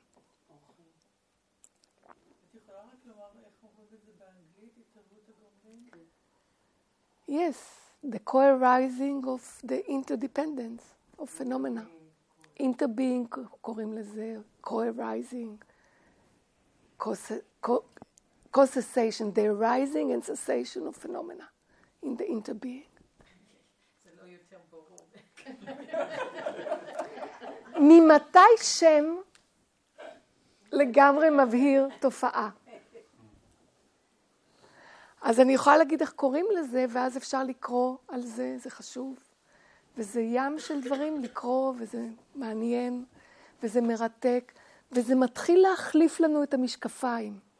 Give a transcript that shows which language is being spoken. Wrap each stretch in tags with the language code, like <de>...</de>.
<he>את יכולה רק לומר איך אומרת את זה באנגלית, התערבות הגומלין?</he> <en>Yes, the co-arising of the interdependence of phenomena. Interbeing,</en> <he>קוראים לזה,</he> <en>co-arising, co-cessation, the arising and cessation of phenomena in the interbeing.</en> <he>זה לא יותר ברור. ממתי שם לגמרי מבהיר תופעה. אז אני יכולה להגיד איך קוראים לזה, ואז אפשר לקרוא על זה, זה חשוב. וזה ים של דברים לקרוא, וזה מעניין, וזה מרתק, וזה מתחיל להחליף לנו את המשקפיים.</he>